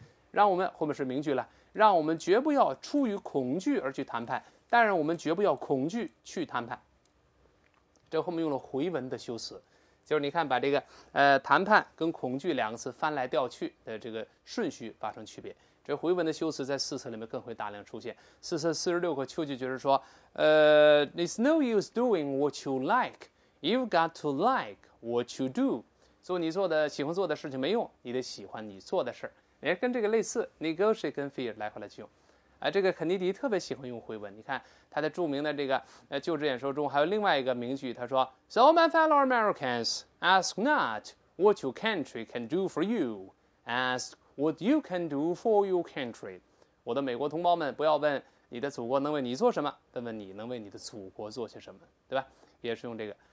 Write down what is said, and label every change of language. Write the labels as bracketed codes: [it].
[zh] 让我们后面是名句了，让我们绝不要出于恐惧而去谈判，但是我们绝不要恐惧去谈判，这后面用了回文的修辞，就是你看把这个谈判跟恐惧两个词翻来调去的这个顺序发生区别，这回文的修辞在四册里面更会大量出现。四册四十六课，秋季就是说， [en] It's no use doing what you like. You've got to like what you do. [zh] 做你做的喜欢做的事情没用，你得喜欢你做的事儿。跟这个类似 ，negotiate 跟 fear 来回来去用。这个肯尼迪特别喜欢用回文。你看他的著名的这个就职演说中还有另外一个名句，他说 ， [en] So my fellow Americans, ask not what your country can do for you, ask what you can do for your country. [zh] 我的美国同胞们，不要问你的祖国能为你做什么，但问你能为你的祖国做些什么，对吧，也是用这个。